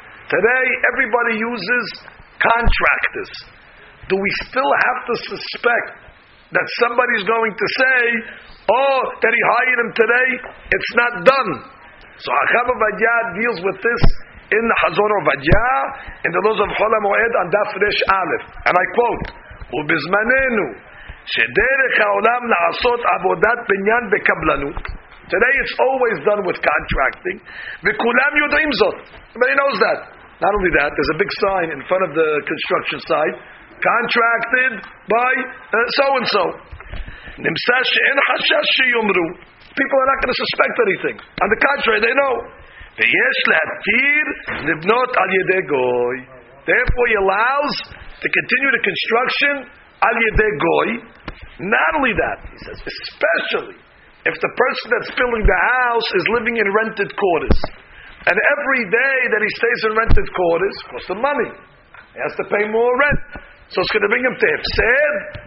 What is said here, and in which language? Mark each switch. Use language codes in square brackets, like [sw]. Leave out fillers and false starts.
[en] Today everybody uses contractors. Do we still have to suspect that somebody's going to say, oh, that he hired him today, it's not done? So Achav Avadya deals with this in the Chazon Avadya, in the laws of Chol HaMoed on Daf Resh Aleph. And I quote, [he] ובזמננו, שדרך העולם לעשות עבודת בניין בקבלנות, [en] today it's always done with contracting, [he] וכולם יודעים זאת. [en] Everybody knows that. Not only that, there's a big sign in front of the construction site, contracted by so-and-so. [he] נמצא שאין חשש שיומרו. [en] People are not going to suspect anything. On the contrary, they know. [he] ויש להתיר לבנות על ידי גוי. [en] Therefore, he allows to continue the construction al yedei goy. Not only that, he says, especially if the person that's building the house is living in rented quarters. And every day that he stays in rented quarters, costs him money. He has to pay more rent. So it's going to bring him to hefsed.